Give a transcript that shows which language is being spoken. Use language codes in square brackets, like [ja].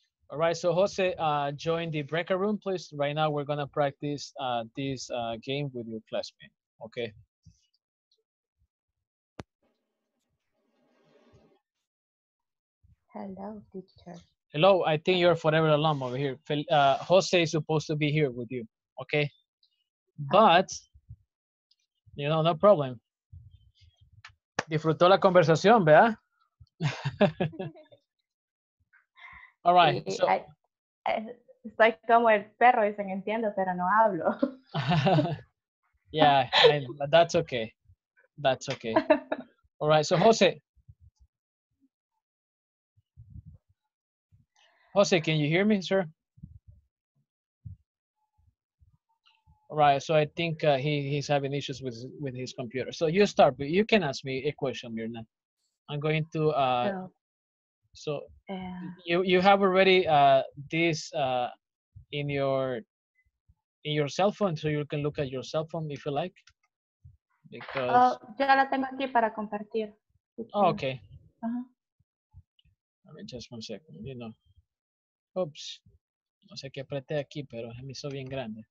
[en] All right, so Jose, join the breaker room, please. Right now, we're gonna practice this game with your classmate, okay? Hello, teacher. Hello, I think you're forever alum over here. Jose is supposed to be here with you, okay? But, you know, no problem. [es] Disfrutó la conversación, ¿verdad? [en] All right. [es] So, estoy como el perro, dicen, entiendo, pero no hablo. [en] Yeah, that's okay. That's okay. All right. So, Jose, can you hear me, sir? All right. So, I think he's having issues with his computer. So, you start, but you can ask me a question, Mirna. I'm going to... you have already this in your cell phone, so you can look at your cell phone if you like. Because [es] yo la tengo aquí para compartir. [en] Oh, okay. Uh-huh. I mean, just one second, you know. Oops. [es] No sé qué apreté aquí, pero se me hizo bien grande.